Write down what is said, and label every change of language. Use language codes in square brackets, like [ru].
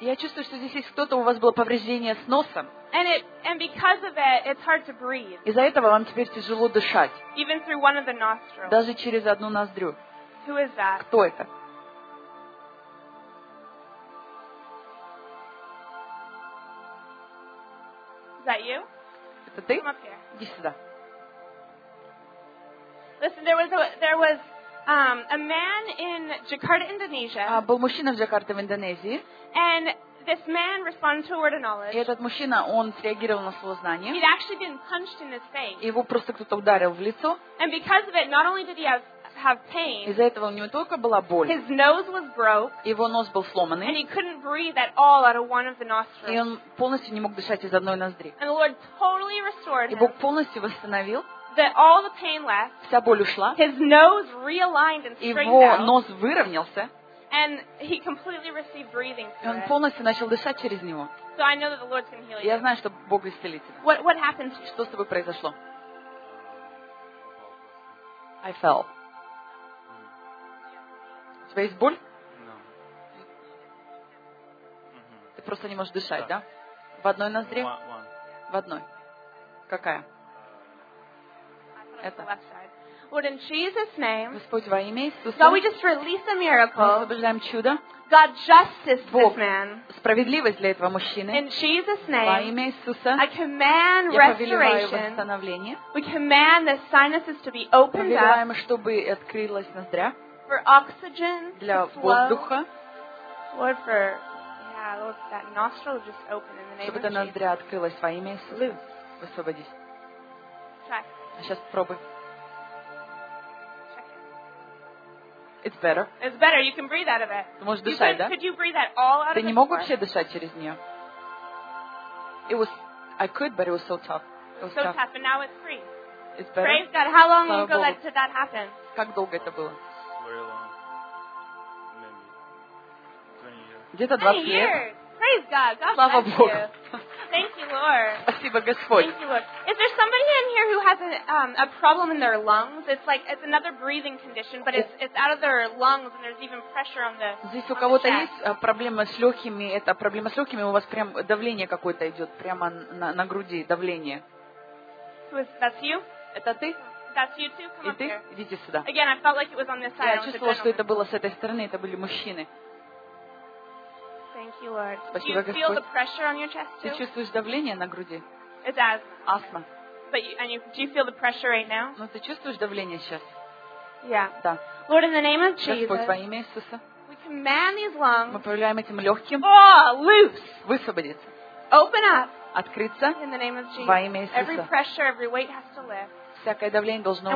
[ru] Я чувствую, что здесь есть кто-то, у вас было повреждение с носом. [en] And because of it, it's hard to breathe. [ru] Из-за этого вам теперь тяжело дышать. [en] Even through one of the nostrils. [ru] Даже через одну ноздрю. [en] Who is that? [ru] Кто это? [en] Is that you? [ru] Это ты? [en] Come up here. [ru] Иди сюда. [en] Listen, there was a man in Jakarta, Indonesia. [ru] Был мужчина в Джакарте, в Индонезии. [en] And this man responded to a word of knowledge. [ru] И этот мужчина, он среагировал на слово знание. [en] He'd actually been punched in his face. [ru] Его просто кто-то ударил в лицо. [en] And because of it, not only did he have pain. [ru] Из-за этого у него только была боль. [en] His nose was broke. [ru] Его нос был сломанный. [en] And he couldn't breathe at all out of one of the nostrils. [ru] И он полностью не мог дышать из одной ноздри. [en] And the Lord totally restored him. [ru] И Бог полностью восстановил. [en] That all the pain left. [ru] Вся боль ушла. [en] His nose realigned and straightened out. [ru] Его нос выровнялся. [en] And he completely received breathing through. [ru] Он полностью начал дышать через него. [en] So I know that the Lord's going to heal you. [ru] Я знаю, что Бог исцелит тебя. [en] What happened? [ru] Что с тобой произошло? [en] I fell. [ru] У тебя есть боль? [en] No. [ru] Ты просто не можешь дышать, да? В одной ноздре? [en] One. [ru] В одной. Какая? Это. [en] Lord, in Jesus' name. [ru] Господь, во имя Иисуса. [en] God, we just release a miracle. [ru] Мы освобождаем чудо. [en] God, justice [ru] Бог, [en] this man. [ru] Справедливость для этого мужчины. [en] In Jesus' name. [ru] Во имя Иисуса. [en] I command restoration. [ru] Я повелеваю восстановление. [en] We command the sinuses to be opened up. [ru] Повелеваем, чтобы открылась ноздря. [en] For oxygen. [ru] Для воздуха. [en] Lord, for Lord, that nostril just open in the name of Jesus. [ru] Чтобы эта ноздря открылась во имя Иисуса. [en] Loose. [ru] Высвободись. [en] Try. [ru] А сейчас пробуй. [en] Check it. It's better. It's better. You can breathe out of it. [ru] Ты можешь дышать, да? [en] Could you breathe that all out of it? [ru] Ты не мог вообще дышать через нее? [en] It was, I could, but it was so tough. It was so tough, and now it's free. It's better. Praise God. How long ago did that happen? [ru] Как долго это было? [en] Very long. Maybe 20 years. [ru] Где-то 20 лет. [en] Praise God. God [ru] Слава [en] bless [ru] Богу. [en] You. Thank you, Lord. [ru] Спасибо, Господь. [en] Thank you, Lord. Is there somebody in here who has a problem in their lungs? It's like it's another breathing condition, but it's out of their lungs and there's even pressure on the chest. [ru] Здесь у кого-то есть проблема с лёгкими? Это проблема с лёгкими, у вас прям давление какое-то идёт прямо на груди, давление. [en] That's you? [ru] Это ты? [en] That's you too. Come [ru] И ты? [en] Here. [ru] Идите сюда. [en] Again, I felt like it was on this side. [ru] Я чувствовала, что это было с этой стороны, это были мужчины. [en] Thank you, Lord. [ru] Спасибо, [en] Do you feel the pressure on your chest too? [ru] Ты чувствуешь давление на груди? [en] It's asthma. [ru] Астма. [en] But you, and you, do you feel the pressure right now? [ru] Ну, ты чувствуешь давление сейчас? [en] Yeah. [ru] Да. [en] Lord, in the name of Jesus. [ru] Господь, во имя Иисуса. [en] We command these lungs. [ru] Мы повелеваем этим легким. [en] Oh, loose. [ru] Высвободиться. [en] Open up. [ru] Открыться. [en] In the name of Jesus. [ru] Во имя Иисуса. [en] Every pressure, every weight has to lift. [ru] Всякое давление должно